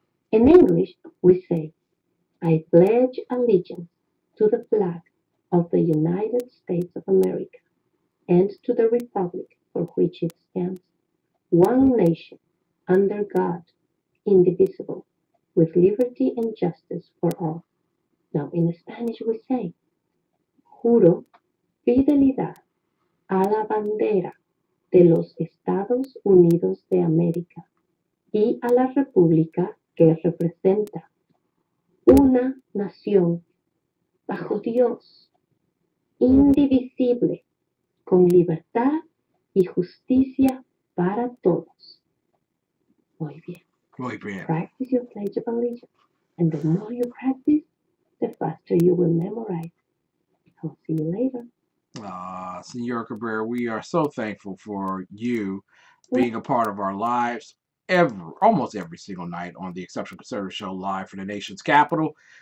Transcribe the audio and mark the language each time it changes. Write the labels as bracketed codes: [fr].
[en] In English, we say, I pledge allegiance to the flag of the United States of America and to the Republic for which it stands. One nation, under God, indivisible, with liberty and justice for all. Now, in Spanish we say, [es] Juro fidelidad a la bandera de los Estados Unidos de América y a la República que representa, una nación bajo Dios, indivisible, con libertad y justicia para todos. Muy bien. Muy bien. [en] Practice your pledge of allegiance, and the more you practice, the faster you will memorize. I'll see you later. Señor Cabrera, we are so thankful for you being a part of our lives almost every single night on the Exceptional Conservative Show live from the nation's capital.